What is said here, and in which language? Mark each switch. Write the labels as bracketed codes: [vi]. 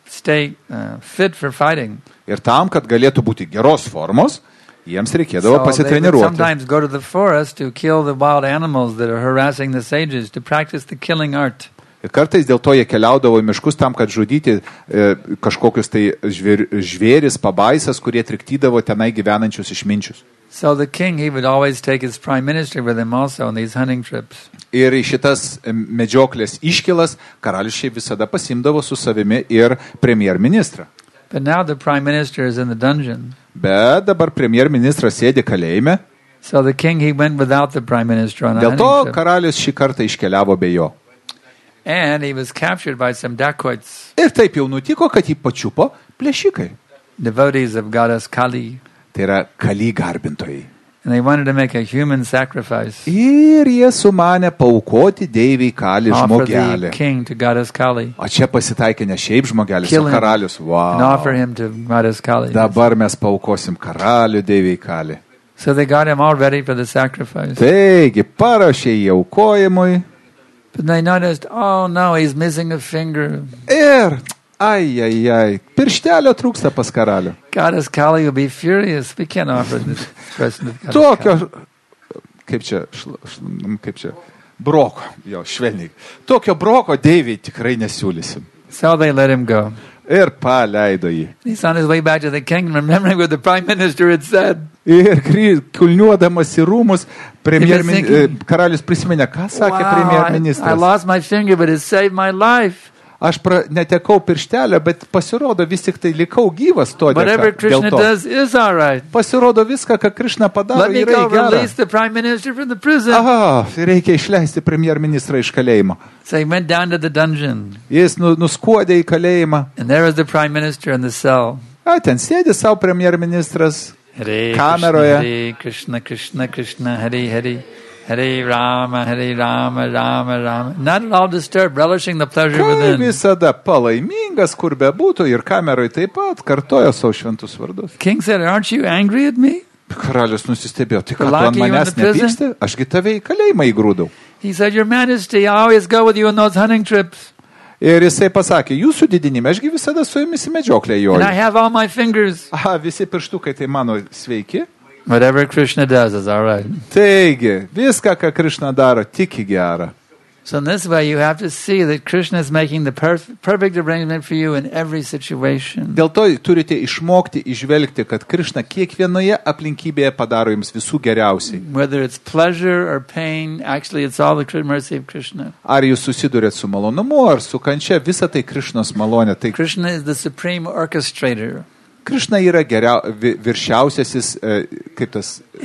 [lt] Ir tam, kad galėtų būti geros formos, jiems reikėdavo pasitreniruoti. Ir kartais dėl to jie keliaudavo į miškus tam, kad žudyti kažkokius tai žvėris, pabaisas, kurie triktydavo tenai gyvenančius išminčius. [en] So the king, he would always take his prime minister with him also on these hunting trips. [lt] Ir į šitas medžioklės iškilas karalius šiaip visada pasimdavo su savimi ir premjer ministrą. [en] But now the prime minister is in the dungeon. [lt] Bet dabar premjer ministras sėdi kalėjime. [en] So the king, he went without the prime minister on a hunting trip. [lt] Dėl to karalius šį kartą iškeliavo be jo. [en] And he was captured by some dacoits. [lt] Ir taip jau nutiko, kad jį pačiupo plėšikai. [en] Devotees of goddess Kali. [lt] Tai yra Kali garbintojai. [en] And they wanted to make a human sacrifice. [lt] Ir jie sumanė paukoti deivei Kali žmogelį. [en] Offer the king to goddess Kali. [lt] O čia pasitaikė ne šiaip žmogelis, o karalius. [en] Wow. And offer him to goddess Kali. [lt] Dabar mes paukosim karalių deivei Kali. [en] So they got him all ready for the sacrifice. [lt] Taigi, paruošė jį aukojimui. [en] But they noticed, oh no, he's missing a finger. [lt] Ir, ai, ai, ai, pirštelio trūksta pas karalių. [en] Goddess Kali will be furious. We can't offer this person to Goddess Kali. [lt] Tokio, kaip čia, broko, jo, švelniai. Tokio broko deivį tikrai nesiūlysim. [en] So they let him go. [lt] Ir paleido jį. [en] He's on his way back to the kingdom, remembering what the prime minister had said. [lt] Ir kulniuodamas į rūmus, karalius prisiminė, ką sakė premjer ministras. [en] I lost my finger, but it saved my life. [lt] Aš netekau pirštelio, bet pasirodo, vis tik tai likau gyvas to dėl to. [en] Is all right. [lt] Pasirodo viską, ką Krishna padaro, [en] let [lt] yra gera. [en] Release the prime minister from the prison. [lt] Aha, reikia išleisti premjer ministrą iš kalėjimo. [en] So he went down to the dungeon. [lt] Jis nuskuodė į kalėjimą. [en] And there was the prime minister in the cell. [lt] A, ten sėdė savo premjer ministras. [sa] Hare [lt] kameroje. [sa] Krishna, Krishna, Krishna, Hare, Hare, Hare Rama, Rama, Rama. [en] Not at all disturbed, relishing the pleasure [lt] kai [en] within. [lt] Visada palaimingas, kur be būtų, ir kameroje taip pat kartojo savo šventus vardus. [en] King said, aren't you angry at me? [lt] Karalius nusistebėjo, tai ką tu ant manęs nepyksti? Aš gi tave į kalėjimą įgrūdau. [en] He said, your majesty, I always go with you on those hunting trips. [lt] Ir jisai pasakė, jūsų didinime, aš gi visada su jumis į medžioklę joju. [en] And I have all my fingers. [lt] Aha, visi pirštukai, tai mano sveiki. [en] Whatever Krishna does is all right. [lt] Taigi, viską, ką Krishna daro, tik į gerą. [en] So in this way you have to see that Krishna is making the perfect arrangement for you in every situation. [lt] Dėl to turite išmokti išvelgti, kad Krishna kiekvienoje aplinkybėje padaro jums visų geriausiai. [en] Whether it's pleasure or pain, actually it's all the mercy of Krishna. [lt] Ar jūs susiduriat su malonumu ar su kančia, visa tai Krishnos malonė. Tai [en] Krishna is the supreme orchestrator. [lt] Krishna yra viršiausiasis, kaip tas